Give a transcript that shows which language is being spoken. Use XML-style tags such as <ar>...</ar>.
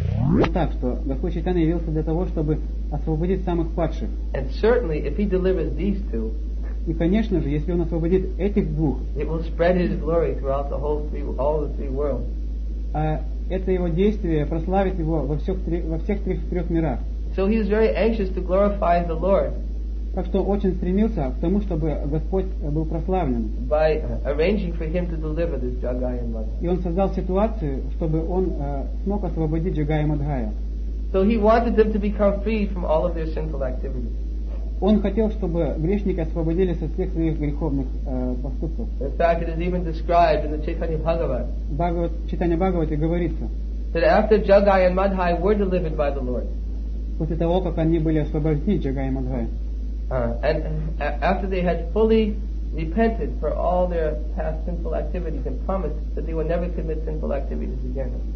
<ru>не так, что Господь Чайтанья явился для того, чтобы освободить самых падших.</ru> <en>And certainly, if he delivers these two,</en> <ru>и, конечно же, если он освободит этих двух,</ru> <en>it will spread his glory throughout the whole three, all the three worlds.</en> <ru>Это его действие прославит его во всех трех мирах.</ru> <en>So he is very anxious to glorify the Lord.</en> <ru>Так что очень стремился к тому, чтобы Господь был прославлен.</ru> <en>By arranging for him to deliver this Jagaya Madhaya.</en> <ru>И он создал ситуацию, чтобы он смог освободить Jagaya Madhaya.</ru> <en>So he wanted them to become free from all of their sinful activities.</en> <ru>Он хотел, чтобы грешники освободились от всех своих греховных поступков.</ru> <en>In fact, it is even described in the Chaitanya Bhagavat.</en> <ru>Chaitanya Bhagavate говорится.</ru> <en>That after Jagaya and Madhaya were delivered by the Lord.</en> <ru>После того, как они были освобождены Jagaya Madhaya.</ru> <en>And after they had fully repented for all their past sinful activities and promised that they would never commit sinful activities again.</en>